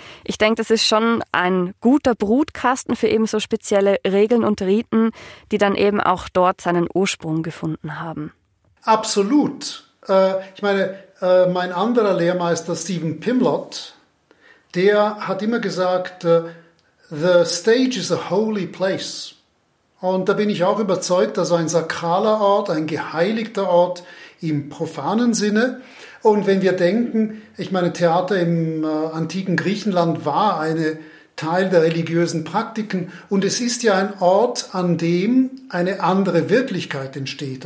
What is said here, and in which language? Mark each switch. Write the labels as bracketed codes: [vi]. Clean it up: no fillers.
[de] Ich denke, das ist schon ein guter Brutkasten für eben so spezielle Regeln und Riten, die dann eben auch dort seinen Ursprung gefunden haben. Absolut. Ich meine, mein anderer Lehrmeister Stephen Pimlott, der hat immer gesagt, [en] The stage is a holy place. [de] Und da bin ich auch überzeugt, dass ein sakraler Ort, ein geheiligter Ort im profanen Sinne. Und wenn wir denken, ich meine, Theater im antiken Griechenland war eine Teil der religiösen Praktiken. Und es ist ja ein Ort, an dem eine andere Wirklichkeit entsteht.